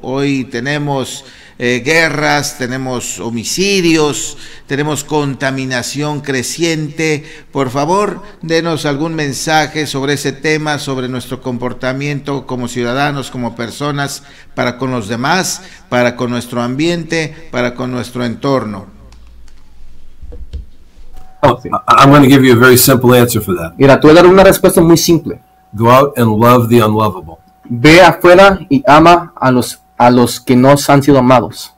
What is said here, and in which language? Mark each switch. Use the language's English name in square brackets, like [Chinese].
[Spanish] Hoy tenemos guerras, tenemos homicidios, tenemos contaminación creciente. Por favor, denos algún mensaje sobre ese tema, sobre nuestro comportamiento como ciudadanos, como personas, para con los demás, para con nuestro ambiente, para con nuestro entorno. [English] Oh, I'm going to give you a very simple answer for that. [Spanish] Mira, te voy a dar una respuesta muy simple. [English] Go out and love the unlovable. [Spanish] Ve afuera y ama a los que no han sido amados.